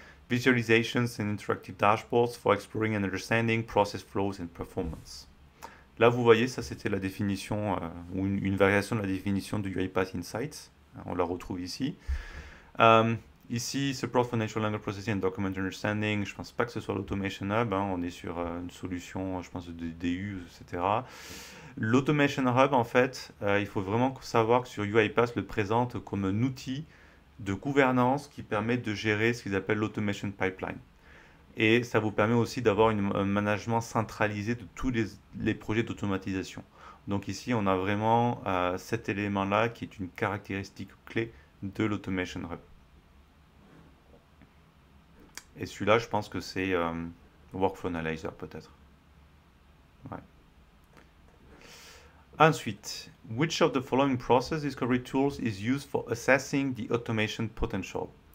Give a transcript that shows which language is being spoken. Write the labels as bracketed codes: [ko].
[en] Visualizations and interactive dashboards for exploring and understanding process flows and performance. [fr] Là, vous voyez, ça c'était la définition, ou une variation de la définition de UiPath Insights. On la retrouve ici. Ici, [en] support for natural language processing and document understanding, [fr] je ne pense pas que ce soit l'Automation Hub, hein. On est sur une solution, je pense, de DU, etc. L'Automation Hub, en fait, il faut vraiment savoir que sur UiPath, le présente comme un outil de gouvernance qui permet de gérer ce qu'ils appellent l'Automation Pipeline. Et ça vous permet aussi d'avoir un management centralisé de tous les projets d'automatisation. Donc ici, on a vraiment cet élément-là qui est une caractéristique clé de l'Automation Hub. Et celui-là, je pense que c'est Workflow Analyzer, peut-être. Ouais. [en] Ensuite, which of the following process discovery tools is used for assessing the automation potential?